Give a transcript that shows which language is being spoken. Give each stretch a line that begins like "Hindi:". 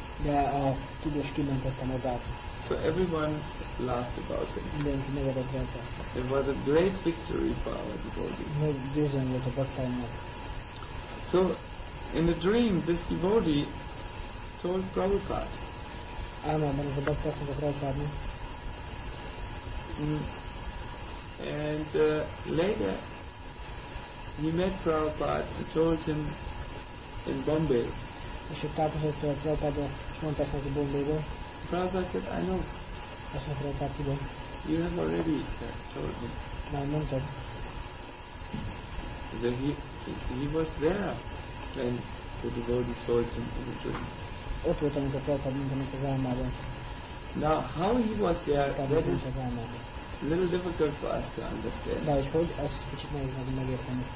Hungarian: De a tudós kimentette magát.
English: So everyone laughed about it.
Hungarian: Mindenki nevetett rajta.
English: It was a great victory for our devotee.
Hungarian: Nagy győzelem volt a bhaktáinak.
English: So in the dream, this devotee told Prabhupada.
Hungarian: Álmában ez a bhakta azt mondta Prabhupádnak.
English: And later he met Prabhupada and told him in Bombay.
Hungarian: És ott találkozott Prabhupada, és mondta ezt neki Bombayba.
English: Prabhupada said, I know.
Hungarian: Azt mondta Prabhupada, tudom.
English: You have already told him.
Hungarian: Már mondtad.
English: Then he was there when the devotee told him in the dream.
Hungarian: Ott volt, amit a Prabhupada mondta neki az álmában.
English: Now, how he was there, that is a little difficult for us to understand.
Hungarian: De hogy, az kicsit nehéz meg megérteni.